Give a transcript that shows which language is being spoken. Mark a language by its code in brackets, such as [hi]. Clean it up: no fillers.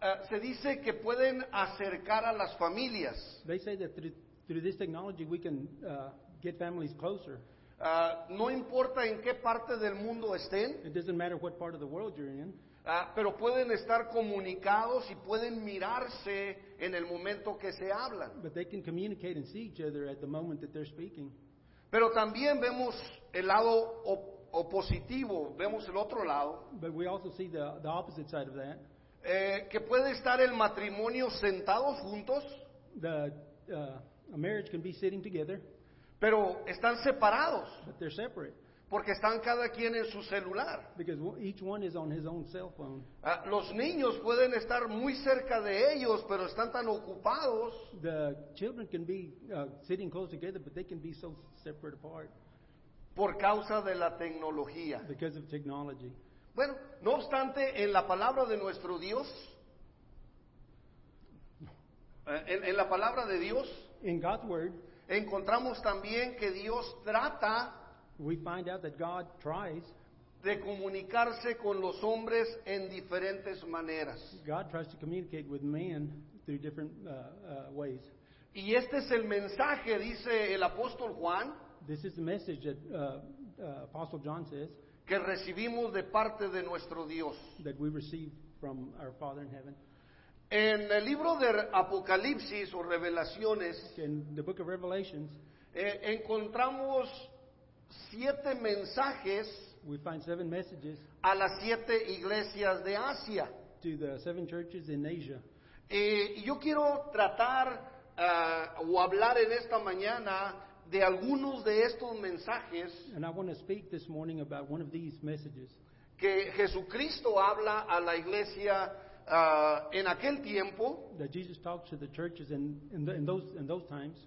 [es] Se dice que pueden acercar a las familias. [en] They say that through this technology we can get families closer. [es] No importa en qué parte del mundo estén. [en] It doesn't matter what part of the world you're in. [es] Pero pueden estar comunicados y pueden mirarse en el momento que se hablan. [en] But they can communicate and see each other at the moment that they're speaking. [es] Pero también vemos el lado opositivo, vemos el otro lado. [en] But we also see the opposite side of that. [es] Que puede estar el matrimonio sentados juntos. [en] A marriage can be sitting together. [es] Pero están separados. [en] But they're separate. [es] Porque están cada quien en su celular. [en] Because each one is on his own cell phone. [es] Los niños pueden estar muy cerca de ellos, pero están tan ocupados. [en] The children can be sitting close together, but they can be so separate apart. [es] Por causa de la tecnología. [en] Because of technology. [es] Bueno, no obstante, en la palabra de nuestro Dios, en la palabra de Dios, [en] in God's word, [es] encontramos también que Dios trata. [en] We find out that God tries [es] de comunicarse con los hombres en diferentes maneras. [en] God tries to communicate with man through different ways. [es] Y este es el mensaje, dice el apóstol Juan. [en] This is the message that Apostle John says. [es] Que recibimos de parte de nuestro Dios. [en] That we receive from our Father in heaven. [es] En el libro de Apocalipsis o Revelaciones. [en] In the book of Revelations. [es] Encontramos siete mensajes. [en] We find seven messages. [es] A las siete iglesias de Asia. [en] To the seven churches in Asia. [es] Yo quiero tratar o hablar en esta mañana de algunos de estos mensajes. [en] And I want to speak this morning about one of these messages. [es] Que Jesucristo habla a la iglesia en aquel tiempo. [en] That Jesus talks to the churches in those times.